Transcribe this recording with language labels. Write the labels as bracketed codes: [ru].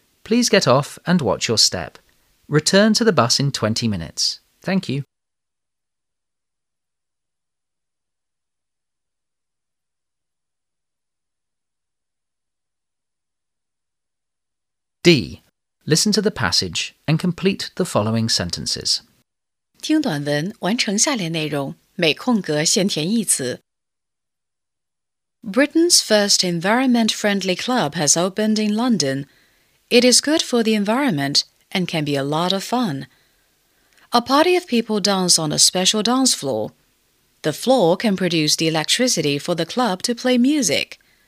[en] Please get off and watch your step. Return to the bus in 20 minutes. Thank you. D. Listen to the passage and complete the following sentences. [zh] 听短文，完成下列内容，每空格先填一词。 [en] Britain's first environment-friendly club has opened in London. It is good for the environment and can be a lot of fun. A party of people dance on a special dance floor. The floor can produce the electricity for the club to play music.